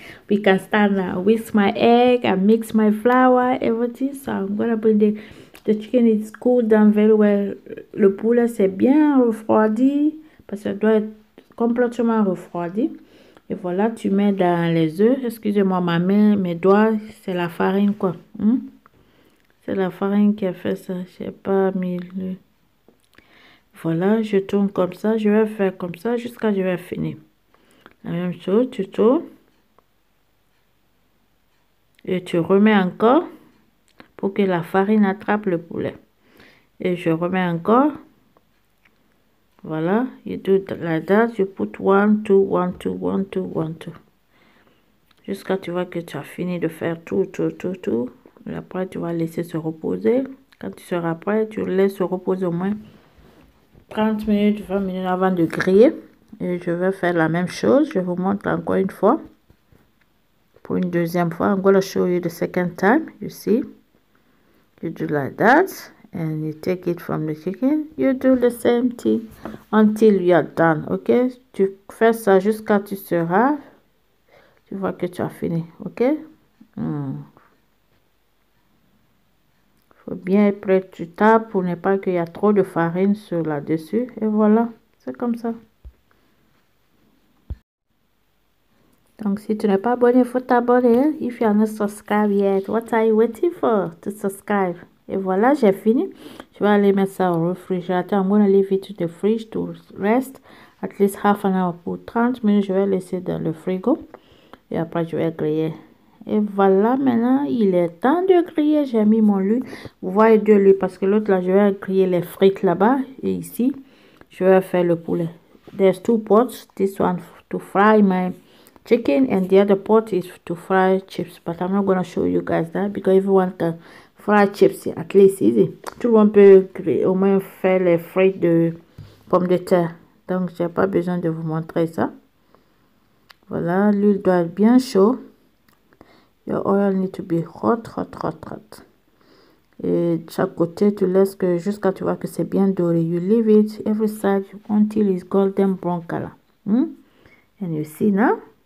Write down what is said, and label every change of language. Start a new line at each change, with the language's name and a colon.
English: We can start now with my egg and mix my flour, everything. So I'm gonna put the chicken is cooled down very well.
French: Le poulet s'est bien refroidi parce que ça doit être complètement refroidi. Et voilà, tu mets dans les œufs. Excusez-moi, ma main, mes doigts, c'est la farine quoi. C'est la farine qui a fait ça. J'ai pas mis le. Voilà, je tourne comme ça. Je vais faire comme ça jusqu'à ce que je vais finir. La même chose, tu tournes. Et tu remets encore pour que la farine attrape le poulet. Et je remets encore. Voilà.
English: You do like that. You put one, two, one, two, one, two, one, two.
French: Jusqu'à tu vois que tu as fini de faire tout, tout, tout, tout. Et après, tu vas laisser se reposer. Quand tu seras prêt, tu laisses se reposer au moins 30 minutes, 20 minutes avant de griller. Et je vais faire la même chose. Je vous montre encore une fois. Pour une deuxième fois,
English: I'm gonna show you the second time. You see, you do like that, and you take it from the chicken. You do the same thing until you are done.
French: Ok, tu fais ça jusqu'à tu seras. Tu vois que tu as fini. Ok, faut bien être prêt. Tu tapes pour ne pas qu'il y a trop de farine sur là-dessus, et voilà, c'est comme ça. Donc, si tu n'es pas abonné, il faut t'abonner.
English: If you are not subscribed yet, what are you waiting for to subscribe?
French: Et voilà, j'ai fini. Je vais aller mettre ça au réfrigérateur.
English: I'm going to leave it in the fridge to rest at least half an hour.
French: Pour 30 minutes, je vais laisser dans le frigo. Et après, je vais griller. Et voilà, maintenant, il est temps de griller. J'ai mis mon lui. Vous voyez deux lui parce que l'autre, là, je vais griller les frites là-bas. Et ici, je vais faire le poulet.
English: There's two pots. This one to fry my chicken and the other pot is to fry chips, but I'm not gonna show you guys that because everyone can fry chips at least easy.
French: Tout le monde peut au moins faire les frites de pommes de terre, donc j'ai pas besoin de vous montrer ça. Voilà, l'huile doit être bien chaud.
English: Your oil need to be hot, hot, hot, hot.
French: Et de chaque côté, tu laisses que jusqu'à tu vois que c'est bien doré.
English: You leave it every side until it's golden brown color. And you see now.